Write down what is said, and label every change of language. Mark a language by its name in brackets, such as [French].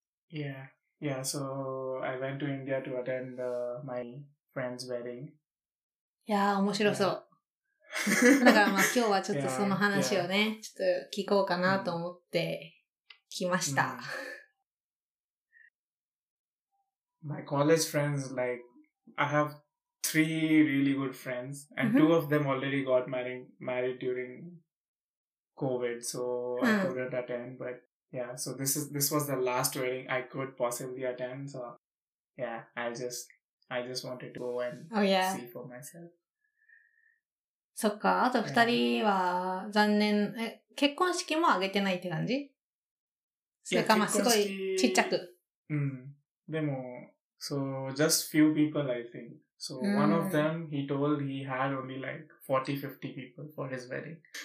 [English] Yeah. Yeah, so I went to India to attend my friend's wedding. [Japanese] いやー、面白そう。Yeah. だからまあ今日はちょっとその話をね、yeah, yeah. ちょっと聞こうかなと思って来ました。 [English] My college friends, like, I have three really good friends, and two of them already got married during COVID, so I couldn't attend, but yeah, so this was the last wedding I could possibly attend, so yeah, I just wanted to go and see for myself. [Japanese] そっか、あと二人は残念、yeah. 結婚式もあげてないって感じ？それかまあすごいちっちゃく。 [English] うん。でも、so just few people I think. So one of them, he told he had only like 40-50 people for his wedding.